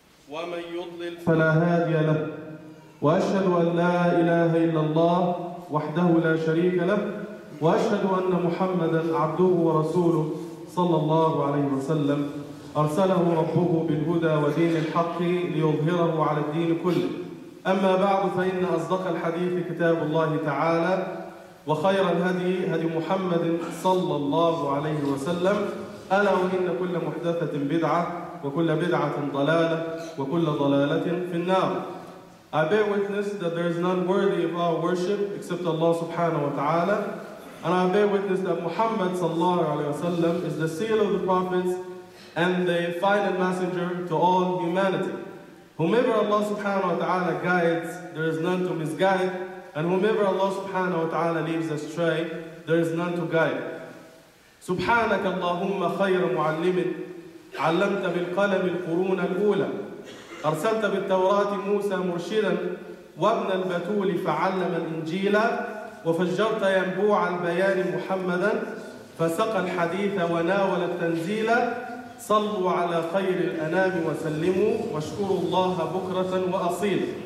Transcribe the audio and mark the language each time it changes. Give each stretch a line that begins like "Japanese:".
Arabic: ومن يضلل فلا هادي له وأشهد أن لا إله إلا الله وحده لا شريك له وأشهد أن محمدا عبده ورسوله صلى الله عليه وسلم أرسله ربه بالهدى ودين الحق ليظهره على الدين كله أما بعد فإن أصدق الحديث كتاب الله تعالى وخير الهدي هدي محمد صلى الله عليه وسلم ألا وإن كل محدثة بدعة وكل بدعة ضلالة وكل ضلالة في النار.
English: I bear witness that there is none worthy of our worship except Allah subhanahu wa ta'ala. And I bear witness that Muhammad sallallahu alayhi wa sallam is the seal of the prophets and the final messenger to all humanity. Whomever Allah subhanahu wa ta'ala guides, there is none to misguide. And whomever Allah subhanahu wa ta'ala leaves astray, there is none to guide.
Arabic: سبحانك اللهم خير معلم علمت بالقلم القرون الأولى أرسلت بالتوراة موسى مرشدا وابن البتول فعلم الإنجيل وفجرت ينبوع البيان محمدا فسقى الحديث وناول التنزيل صلوا على خير الأنام وسلموا واشكروا الله بكرة وأصيل.